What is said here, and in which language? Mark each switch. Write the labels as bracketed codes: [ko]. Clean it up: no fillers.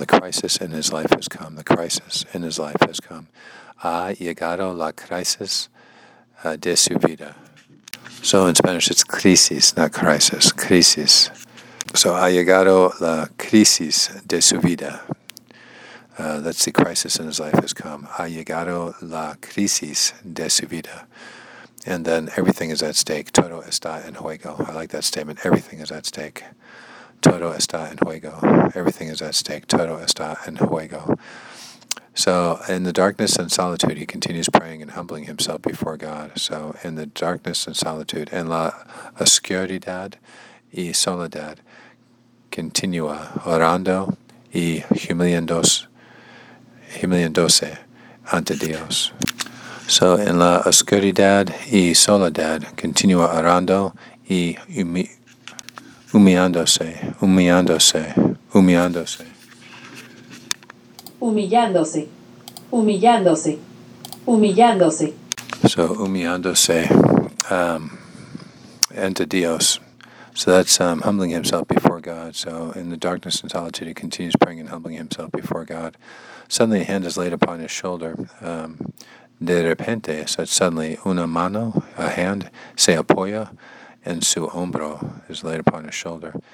[en] The crisis in his life has come. The crisis in his life has come. [es] Ha llegado la crisis de su vida. [en] So in Spanish, it's crisis, not crisis. Crisis. [es] So ha llegado la crisis de su vida. [en] That's the crisis in his life has come. [es] Ha llegado la crisis de su vida. [en] And then everything is at stake. [es] Todo está en juego. [en] I like that statement. Everything is at stake. [es] Todo está en juego. [en] Everything is at stake. [es] Todo está en juego. [en] So in the darkness and solitude, he continues praying and humbling himself before God. So in the darkness and solitude, [es] en la oscuridad y soledad, continúa orando y humillándose ante Dios. [en] So in [es] la oscuridad y soledad, continúa orando y humillándose ante Dios. [en] So that's humbling himself before God. So in the darkness and solitude, he continues praying and humbling himself before God. Suddenly a hand is laid upon his shoulder. [es] De repente, [en] so suddenly, [es] una mano, [en] a hand, [es] se apoya en su hombro, [en] is laid upon his shoulder.